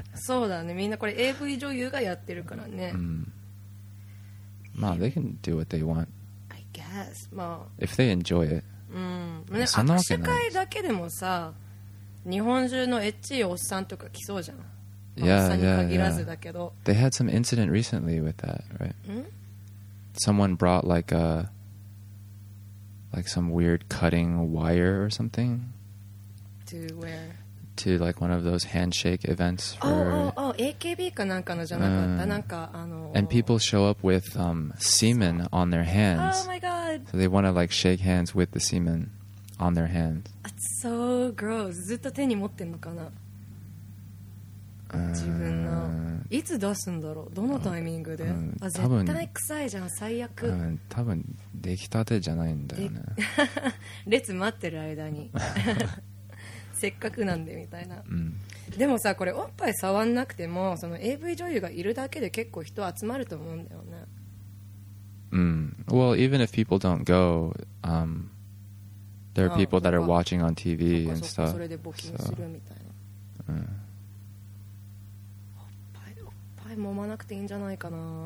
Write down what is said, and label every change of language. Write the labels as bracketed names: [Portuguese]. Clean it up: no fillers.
[Japanese] そうだね、みんなこれAV女優がやってるからね。 [English] They can do what they want, I guess. If they enjoy it. [Japanese] まあ、握手会だけでもさ、日本中のエッチいおっさんとか来そうじゃん。 [English] Yeah. They had some incident recently with that, right? Someone brought like a like some weird cutting wire or something. To where? to like one of those handshake events [Japanese] for AKB かなんかのじゃなかった、なんか [English] And people show up with semen on their hands. Oh my god. So they want to like shake hands with the semen on their hands. That's so gross. [Japanese] ずっと手に持ってんのかな。自分のいつ出すんだろう。どのタイミングで。絶対臭いじゃん。最悪。多分出来たてじゃないんだよね。列待ってる間に。せっかくなんでみたいな、うん、でもさこれおっぱい触んなくてもその AV 女優がいるだけで結構人集まると思うんだよね。うん。 [English] Well, even if people don't go, there are people that are watching on TV and stuff. [Japanese] それで募金するみたいな。うん。おっぱい揉まなくていいんじゃないかな。